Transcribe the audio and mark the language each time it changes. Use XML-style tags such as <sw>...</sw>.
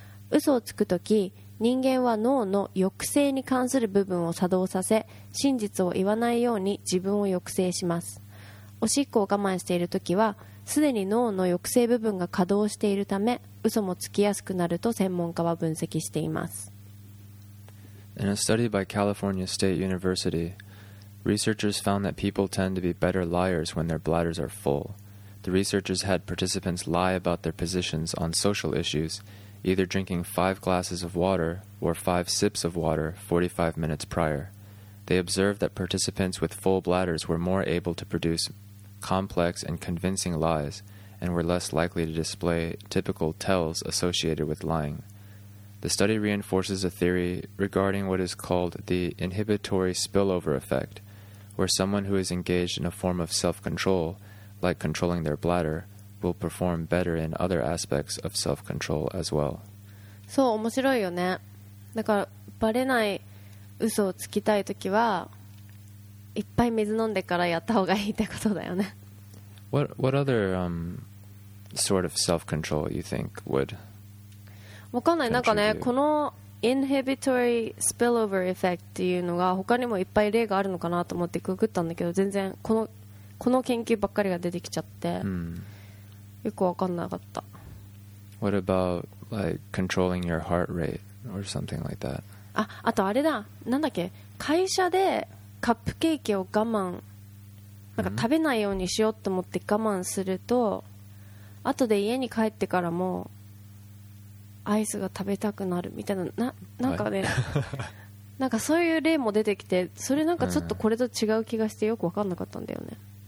<ja>嘘をつく時、人間は脳の抑制に関する部分を作動させ、真実を言わないように自分を抑制します。おしっこを我慢している時はすでに脳の抑制部分が稼働しているため、嘘もつきやすくなると専門家は分析しています。</ja> <en>In a study by California State University, researchers found that people tend to be better liars when their bladders are full. The researchers had participants lie about their positions on social issues, either drinking 5 glasses of water or 5 sips of water 45 minutes prior. They observed that participants with full bladders were more able to producecomplex and convincing lies and were less likely to display typical tells associated with lying. The study reinforces a theory regarding what is called the inhibitory spillover effect, where someone who is engaged in a form of self-control, like controlling their bladder, will perform better in other aspects of self-control as well.</en> <ja>そう、面白いよね。だからバレない嘘をつきたいときはいっぱい水飲んでからやった方がいいってことだよね。</ja> <en>What other sort of self-control you think would?</en> <ja>わかんない。なんかね、この inhibitory spillover effect っていうのが他にもいっぱい例があるのかなと思ってググったんだけど、全然この研究ばっかりが出てきちゃって、よくわかんなかった。</ja> <en>What about like controlling your heart rate or something like that?</en> <ja>あとあれだ。なんだっけ、会社でカップケーキを我慢、なんか食べないようにしようと思って我慢すると、後で家に帰ってからもアイスが食べたくなるみたいな、 なんかね、はい、なんかそういう例も出てきて、それなんかちょっとこれと違う気がしてよく分かんなかったんだよね。</ja>